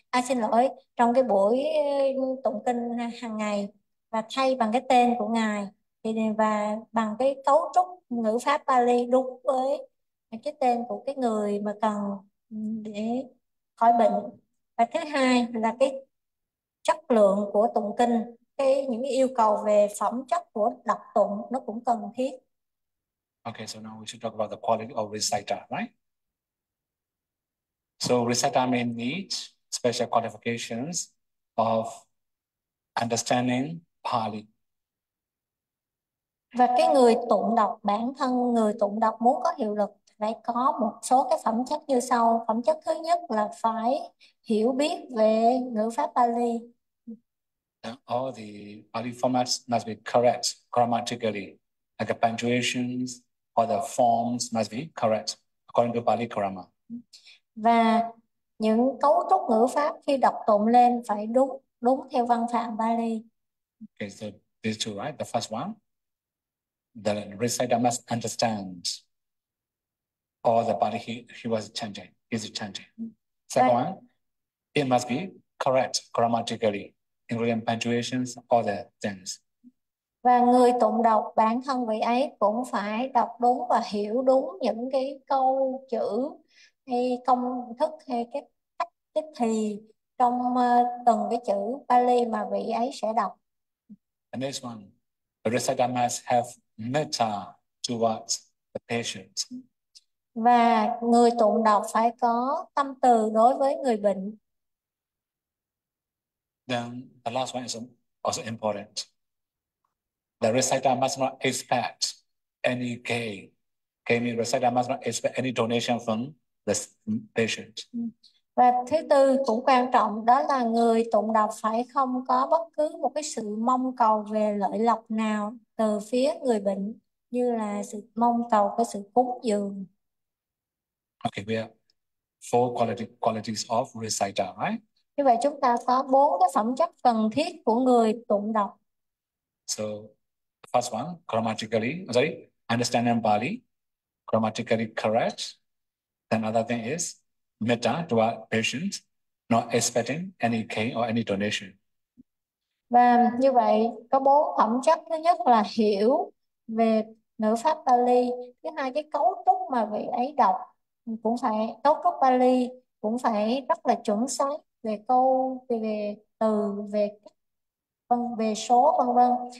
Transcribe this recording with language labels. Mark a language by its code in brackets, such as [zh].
[vi] À xin lỗi, trong cái buổi tụng kinh hàng ngày, và thay bằng cái tên của ngài thì và bằng cái cấu trúc ngữ pháp Pali đúng với cái tên của cái người mà cần để khỏi bệnh. Và thứ hai là cái chất lượng của tụng kinh, cái những cái yêu cầu về phẩm chất của đọc tụng nó cũng cần thiết. [en] Okay, so now we should talk about the quality of reciter, right? So reciter may need special qualifications of understanding Pali. [vi] Và cái người tụng đọc, bản thân người tụng đọc muốn có hiệu lực phải có một số cái phẩm chất như sau. Phẩm chất thứ nhất là phải hiểu biết về ngữ pháp Pali. [en] All the Pali formats must be correct grammatically, like the punctuations. Or the forms must be correct according to Pali grammar. [vi] Và những cấu trúc ngữ pháp khi đọc tụng lên phải đúng đúng theo văn phạm Pali. [en] Okay, so these two, right? The first one, the reciter must understand all the Pali he was chanting, is chanting. Second one, it must be correct grammatically, including punctuations, all the things. [vi] Và người tụng đọc, bản thân vị ấy cũng phải đọc đúng và hiểu đúng những cái câu chữ hay công thức hay cái cách tiếp thì trong từng cái chữ Pali mà vị ấy sẽ đọc. [en] And this one, the reciter must have metta towards the patient. [vi] Và người tụng đọc phải có tâm từ đối với người bệnh. [en] Then the last one is also important. The reciter must not expect any gain. Gain means reciter must not expect any donation from the patient. [vi] Và thứ tư cũng quan trọng, đó là người tụng đọc phải không có bất cứ một cái sự mong cầu về lợi lộc nào từ phía người bệnh, như là sự mong cầu cái sự cúng dường. [en] Okay, we have four qualities of reciter, right? [vi] Như vậy chúng ta có bốn cái phẩm chất cần thiết của người tụng đọc. [en] So, first one, grammatically, sorry, understanding Pali, grammatically correct. Then other thing is metta to our patients, not expecting any gain or any donation. [vi] Và như vậy có bốn phẩm chất. Thứ nhất là hiểu về ngữ pháp Pali. Thứ hai, cái cấu trúc mà vị ấy đọc cũng phải, cấu trúc Pali cũng phải rất là chuẩn xác về câu, về từ, về vân, về số, vân vân.